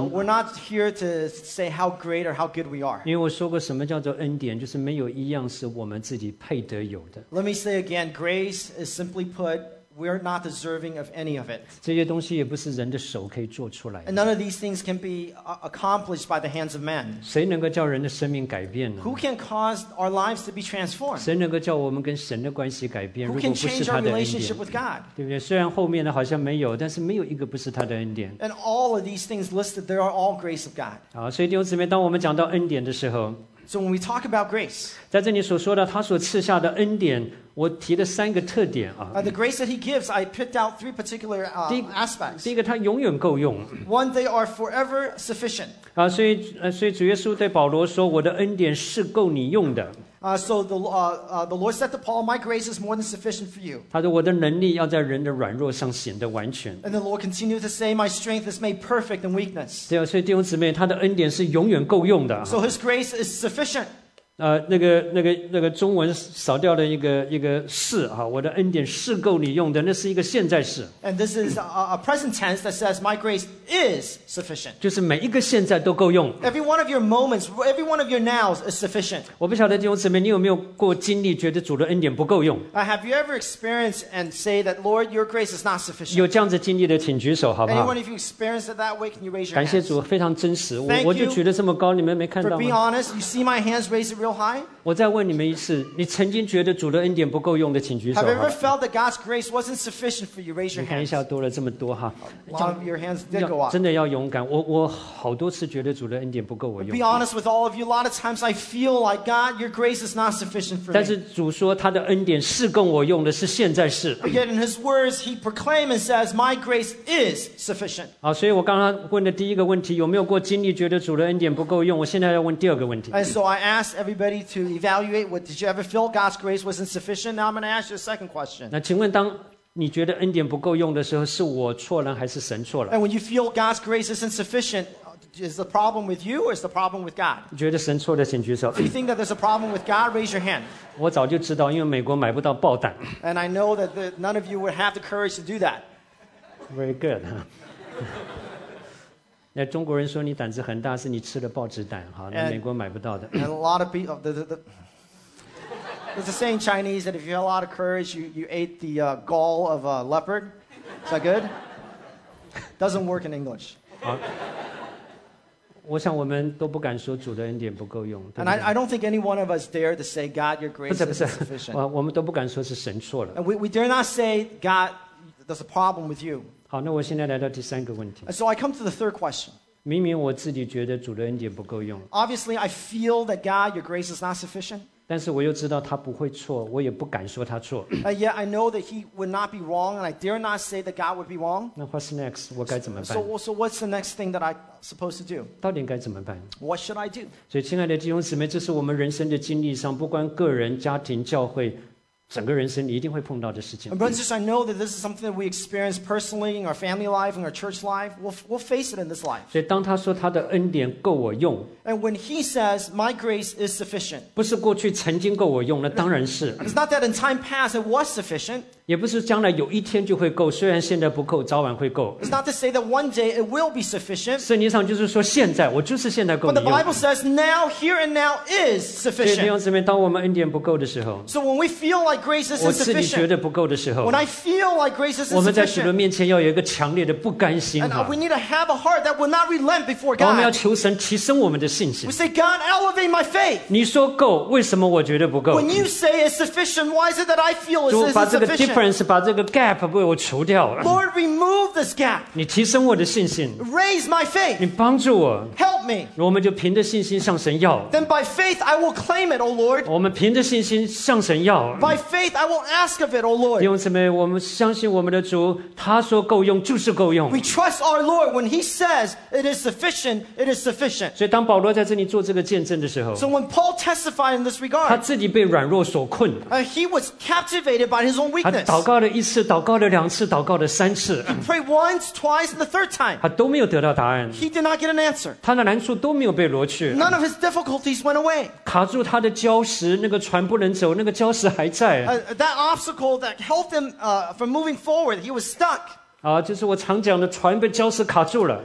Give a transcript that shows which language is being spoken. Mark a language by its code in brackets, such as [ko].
[en] We're not here to say how great or how good we are. [zh] 因为我说过什么叫做恩典，就是没有一样是我们自己配得有的。 [en] Let me say again, grace is simply put. We're not deserving of any of it. [zh] 这些东西也不是人的手可以做出来的。 [en] And none of these things can be accomplished by the hands of men. [zh] 谁能够叫人的生命改变呢？ [en] Who can cause our lives to be transformed? [zh] 谁能够叫我们跟神的关系改变？ [en] Who can change our relationship with God? [zh] 对不对？虽然后面的好像没有，但是没有一个不是他的恩典。 [en] And all of these things listed, they are all grace of God. [zh] 好，所以弟兄姊妹，当我们讲到恩典的时候。 [en] So when we talk about grace, [zh] 在这里所说的他所赐下的恩典，我提的三个特点啊。 [en] The grace that he gives, I picked out three particular aspects. [zh] 第一个，他永远够用。 [en] One, they are forever sufficient. [zh] 啊，所以主耶稣对保罗说，我的恩典是够你用的。 [en] So the Lord said to Paul, my grace is more than sufficient for you. [zh] 他说我的能力要在人的软弱上显得完全。 [en] And the Lord continued to say, my strength is made perfect in weakness. [zh] 对啊，所以弟兄姊妹，他的恩典是永远够用的。 [en] So his grace is sufficient. [zh] 那个中文少掉了一个是啊，我的恩典是够你用的，那是一个现在式。 [en] And this is a present tense that says my grace is sufficient. [zh] 就是每一个现在都够用。 [en] Every one of your moments, every one of your nows is sufficient. [zh] 我不晓得弟兄姊妹，你有没有过经历，觉得主的恩典不够用 [en] ？Have you ever experienced and say that Lord, your grace is not sufficient? [zh] 有这样子经历的，请举手好不好 [en] ？Anyone if you experienced it that way, can you raise your hand? [zh] 感谢主，非常真实。我就举得这么高，你们没看到吗 [en] ？For being honest, you see my hands raised real. [zh] 我再问你们一次，你曾经觉得主的恩典不够用的，请举手。 [en] Have you ever felt that God's grace wasn't sufficient for you? Raise your hands. [zh] 你看一下，多了这么多哈。 [en] A lot of your hands did go up. [zh] 真的要勇敢。我好多次觉得主的恩典不够我用。 [en] Be honest with all of you. A lot of times I feel like God, your grace is not sufficient for me. [zh] 但是主说他的恩典是够我用的，是现在是。 [en] Yet in His words, He proclaims and says, "My grace is sufficient." [zh] 好，所以我刚刚问的第一个问题，有没有过经历觉得主的恩典不够用？我现在要问第二个问题。 [en] And so I asked everybody. To evaluate what did you ever feel God's grace was insufficient? Now I'm going to ask you a second question. [zh] 那请问当你觉得恩典不够用的时候，是我错了还是神错了 [en] ？And when you feel God's grace is insufficient, is the problem with you or is the problem with God? [zh] 觉得神错的请举手。 [en] If you think that there's a problem with God, raise your hand. [zh] 我早就知道，因为美国买不到爆弹。 [en] And I know that none of you would have the courage to do that. Very good. [zh] 那中国人说你胆子很大，是你吃了爆炸弹，好，那美国买不到的。 [en] And a lot of people, there's a saying in Chinese that if you have a lot of courage, you ate the gall of a leopard. Is that good? Doesn't work in English. [zh] 好，我想我们都不敢说主的恩典不够用。 [en] And I don't think any one of us dare to say God, your grace is insufficient. [zh] 不是，我们都不敢说是神错了。 [en] And we dare not say God, there's a problem with you. [zh] 好，那我现在来到第三个问题。 [en] So I come to the third question. [zh] 明明我自己觉得主的恩典不够用。 [en] Obviously, I feel that God, your grace is not sufficient. [zh] 但是我又知道他不会错，我也不敢说他错。 [en] Yet I know that he would not be wrong, and I dare not say that God would be wrong. [zh] 那 [en] what's next? [zh] 我该怎么办 [en] ？So what's the next thing that I supposed to do? [zh] 到底该怎么办 [en] ？What should I do? [zh] 所以，亲爱的弟兄姊妹，这是我们人生的经历上，不管个人、家庭、教会。整个人生你一定会碰到的事情。 [en] Brothers, I know that this is something that we experience personally in our family life, in our church life. We'll face it in this life. [zh] 所以当他说他的恩典够我用 [en] ，And when he says my grace is sufficient, [zh] 不是过去曾经够我用，那当然是。 [en] It's not that in time past it was sufficient. [zh] 也不是将来有一天就会够，虽然现在不够，早晚会够。 [en] It's not to say that one day it will be sufficient. [zh] 圣经上就是说现在，我就是现在够你用。 [en] But the Bible says now, here and now is sufficient. [zh] 所以弟兄姊妹，当我们恩典不够的时候 [en] ，So when we feel like grace is insufficient. When I feel like grace is insufficient, and we need to have a heart that will not relent before God. We say, God, elevate my faith. When you say it's sufficient, why is it that I feel it's insufficient? [zh] 把这个 difference, 把这个 gap 为我除掉了。 [en] Lord, remove this gap. [zh] 你提升我的信心。 [en] Raise my faith. [zh] 你帮助我。 [en] Help me. [zh] 我们就凭着信心向神要。 [en] Then by faith, I will claim it, O Lord. [zh] 我们凭着信心向神要。 [en] By faith, I will ask of it, O Lord. [zh] 弟兄姊妹，我们相信我们的主，他说够用就是够用。 [en] We trust our Lord when He says it is sufficient. It is sufficient. [zh] 所以当保罗在这里做这个见证的时候 [en] ，So when Paul testified in this regard, [zh] 他自己被软弱所困。 [en] He was captivated by his own weakness. [zh] 他祷告了一次，祷告了两次，祷告了三次。 [en] He prayed once, twice, and the third time. [zh] 他都没有得到答案。 [en] He did not get an answer. [zh] 他的难处都没有被挪去。 [en] None of his difficulties went away. [zh] 卡住他的礁石，那个船不能走，那个礁石还在。 [en] That obstacle that held him from moving forward, he was stuck. [zh] 就是我常讲的，船被礁石卡住了。